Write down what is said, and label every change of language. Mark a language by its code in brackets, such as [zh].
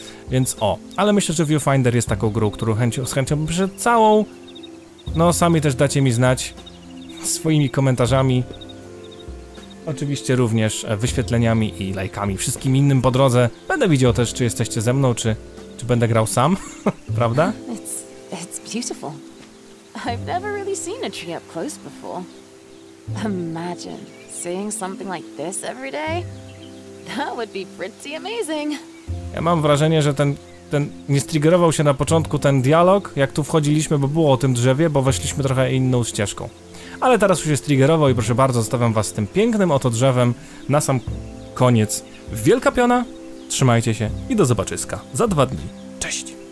[pl] Więc o, ale myślę, że Viewfinder jest taką grą, którą z chęcią bym przeszedł całą. No, sami też dacie mi znać swoimi komentarzami. Oczywiście również wyświetleniami i lajkami, wszystkim innym po drodze. Będę widział też, czy jesteście ze mną, czy będę grał sam, prawda? [en] It's beautiful. I've never really seen a tree up close before. Imagine seeing something like this every day. That would be pretty amazing. [pl] Ja mam wrażenie, że ten nie striggerował się na początku ten dialog, jak tu wchodziliśmy, bo było o tym drzewie, bo weszliśmy trochę inną ścieżką. Ale teraz już się striggerował i proszę bardzo, zostawiam was z tym pięknym oto drzewem na sam koniec. Wielka piona, trzymajcie się i do zobaczyska za dwa dni. Cześć!